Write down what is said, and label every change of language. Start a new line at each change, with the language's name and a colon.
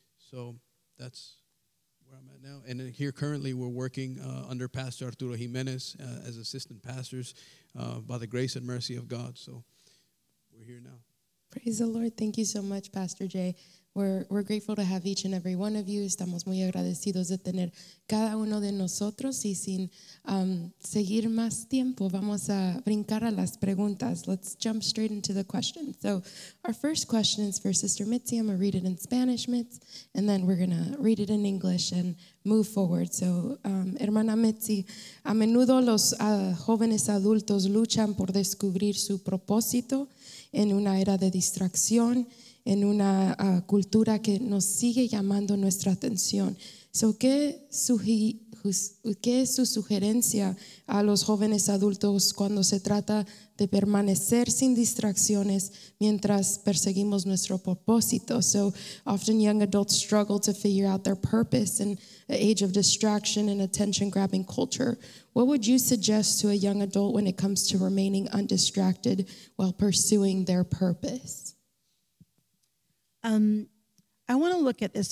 English: So that's where I'm at now. And here currently we're working under Pastor Arturo Jimenez as assistant pastors by the grace and mercy of God. So we're here now. Praise the Lord. Thank you so much, Pastor Jay. We're grateful to have each and every one of you.
Spanish: Estamos muy agradecidos de tener cada uno de nosotros. Y sin seguir más tiempo, vamos a brincar a las preguntas.
English: Let's jump straight into the questions. So our first question is for Sister Mitzi. I'm going to read it in Spanish, Mitz, and then we're going to read it in English and move forward.
Spanish: So, hermana Mitzi, a menudo los jóvenes adultos luchan por descubrir su propósito en una era de distracción. en una cultura que nos sigue llamando nuestra atención. So, ¿qué es su sugerencia a los jóvenes adultos cuando se trata de permanecer sin distracciones mientras perseguimos nuestro propósito?
English: So, often young adults struggle to figure out their purpose in an age of distraction and attention-grabbing culture. What would you suggest to a young adult when it comes to remaining undistracted while pursuing their purpose? I want to look at this.